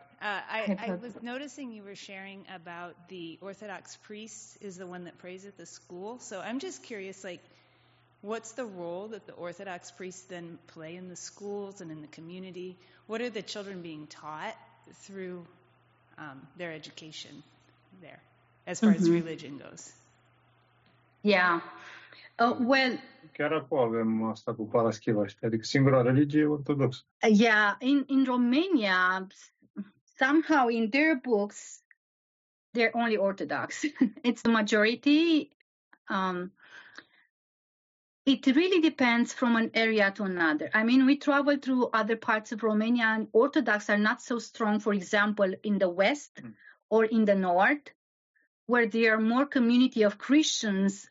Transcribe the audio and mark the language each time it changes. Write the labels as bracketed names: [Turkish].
[English] I was noticing you were sharing about the Orthodox priest is the one that prays at the school. So I'm just curious, like, What's the role that the Orthodox priests then play in the schools and in the community? What are the children being taught through their education there, as far as religion goes? Yeah. Well, [Romanian] chiar acum avem asta cu Paraschiva, adică singura religie ortodoxă. [English] Yeah, in Romania, somehow in their books, they're only Orthodox. It's the majority. It really depends from an area to another. I mean, we travel through other parts of Romania and Orthodox are not so strong, for example, in the West or in the North, where there are more community of Christians.